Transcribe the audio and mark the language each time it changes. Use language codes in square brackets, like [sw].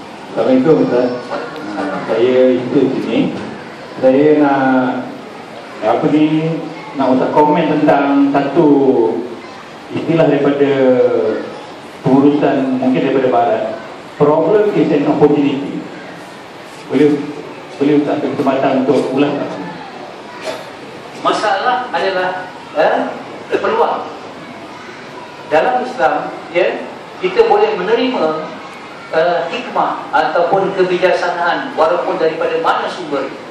[ms] Assalamualaikum Ustaz. Saya itu sini. Saya nak apa ni, nak usah komen tentang satu istilah daripada pengurusan, mungkin daripada barat. [en] Problem is an opportunity. [ms] Boleh Ustaz ada kesempatan untuk ulang? Masalah adalah peluang. Dalam Islam, kita boleh menerima hikmah ataupun kebijaksanaan walaupun daripada mana sumber.